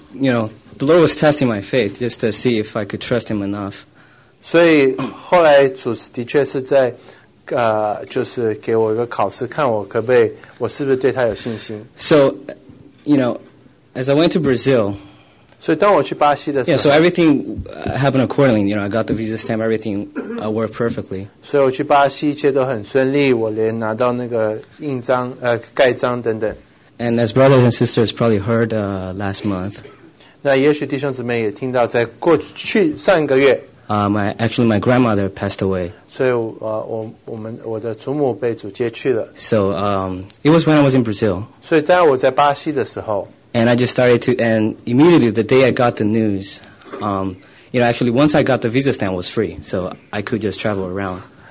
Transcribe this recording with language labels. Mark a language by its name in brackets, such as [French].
[English] you know, the Lord was testing my faith just to see if I could trust Him enough. [Chinese] 所以后来主的确是在就是给我一个考试，看我可不可以，我是不是对他有信心。 [English] So you know, as I went to Brazil. [Chinese] 所以当我去巴西的时候, [English] yeah, so everything happened accordingly. You know, I got the visa stamp, everything worked perfectly. [Chinese] 所以我去巴西一切都很顺利，我连拿到那个印章、盖章等等。 [English] And as brothers and sisters probably heard last month, [Chinese] 那也许弟兄姊妹也听到，在过去上一个月, [English] my grandmother passed away. [Chinese] 所以我的祖母被主接去了。 [English] So it was when I was in Brazil. [Chinese] 所以在我在巴西的时候。 [English] And I just started to, and immediately the day I got the news, you know, actually once I got the visa stamp, it was free, so I could just travel around.